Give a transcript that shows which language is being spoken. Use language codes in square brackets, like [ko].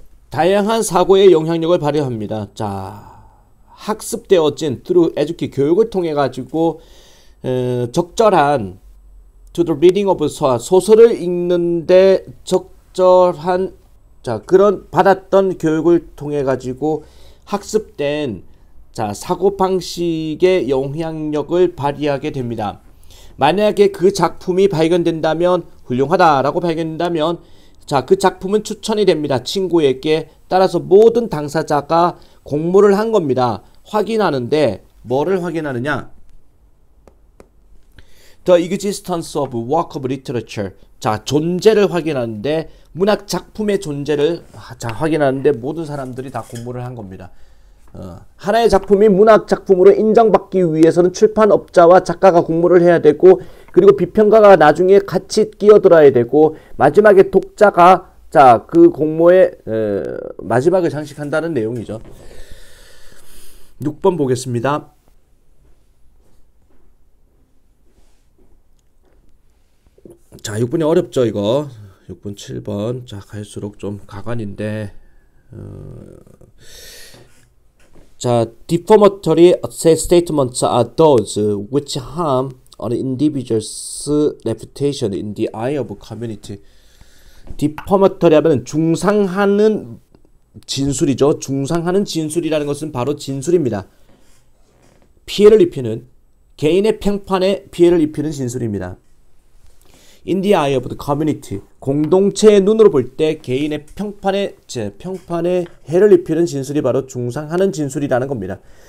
[ko] 다양한 사고의 영향력을 발휘합니다. 자. 학습되어진 [en] through education [ko] 교육을 통해 가지고 적절한 [en] to the reading of [ko] 소설을 읽는데 적절한 자 그런 받았던 교육을 통해 가지고 학습된 자 사고 방식의 영향력을 발휘하게 됩니다. 만약에 그 작품이 발견된다면 훌륭하다라고 발견된다면 자그 작품은 추천이 됩니다. 친구에게 따라서 모든 당사자가 공모를 한 겁니다. 확인하는데, 뭐를 확인하느냐? [en] The existence of work of literature. [ko] 자, 존재를 확인하는데, 문학 작품의 존재를, 자, 확인하는데, 모든 사람들이 다 공모를 한 겁니다. 하나의 작품이 문학 작품으로 인정받기 위해서는 출판업자와 작가가 공모를 해야 되고, 그리고 비평가가 나중에 같이 끼어들어야 되고, 마지막에 독자가, 자, 그 공모에, 마지막을 장식한다는 내용이죠. 6번 보겠습니다. 자, 6번이 어렵죠, 이거. 6번, 7번. 자, 갈수록 좀 가관인데. [en] 자, defamatory statements are those which harm an individual's reputation in the eye of community. [ko] Defamatory 하면 중상하는 진술이죠. 중상하는 진술이라는 것은 바로 진술입니다. 피해를 입히는, 개인의 평판에 피해를 입히는 진술입니다. [en] In the eye of the community, [ko] 공동체의 눈으로 볼때 개인의 평판에 해를 입히는 진술이 바로 중상하는 진술이라는 겁니다.